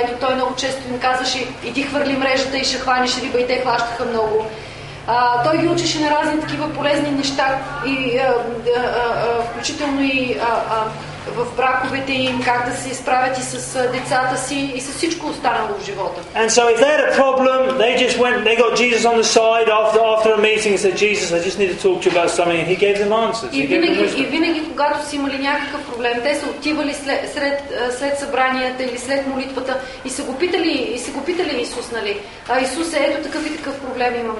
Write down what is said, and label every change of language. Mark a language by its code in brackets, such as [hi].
[bg] Ето той много често им казваше, иди хвърли мрежата и ще хваниш риба, и те хващаха много. Той ги учеше на разни такива полезни неща, и включително и в браковете им, как да се изправят и с децата си и с всичко останало в живота. [en] And so if they had a problem, they just went, they got Jesus on the side after a meeting and said, Jesus, I just need to talk to you about something, and he gave them answers. [bg] И винаги, когато си имали някакъв проблем, те са отивали след събранията или след молитвата и са го питали, Исус, нали? А Исус, ето такъв и такъв проблем имам.